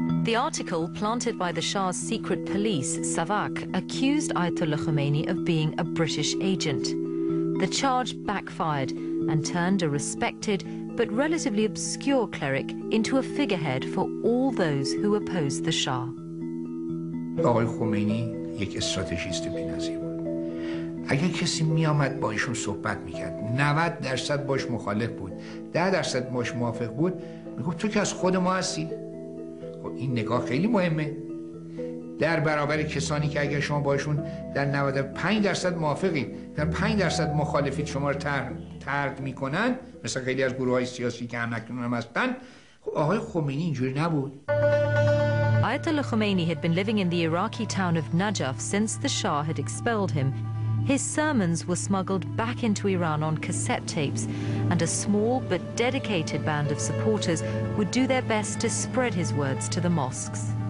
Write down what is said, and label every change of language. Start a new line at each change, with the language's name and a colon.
English: The article, planted by the Shah's secret police, Savak, accused Ayatollah Khomeini of being a British agent. The charge backfired and turned a respected but relatively obscure cleric into a figurehead for all those who opposed the Shah.
Persian: آقای خمینی یک استراتژیست بی‌نظیر بود. اگه کسی میامد با ایشون صحبت میکرد، 90% باش مخالف بود، 10% باش موافق بود، میگفت تو که از خود ما هستی. خب این نگاه خیلی مهمه در برابر کسانی که اگر شما باشون در 95% موافقین، در 5% مخالفین شما رو ترد میکنن، مثل خیلی از گروه های سیاسی که هم نکنون هم هستن. خب آقای خمینی اینجوری نبود.
English: Ayatollah Khomeini had been living in the Iraqi town of Najaf since the Shah had expelled him. His sermons were smuggled back into Iran on cassette tapes, and a small but dedicated band of supporters would do their best to spread his words to the mosques.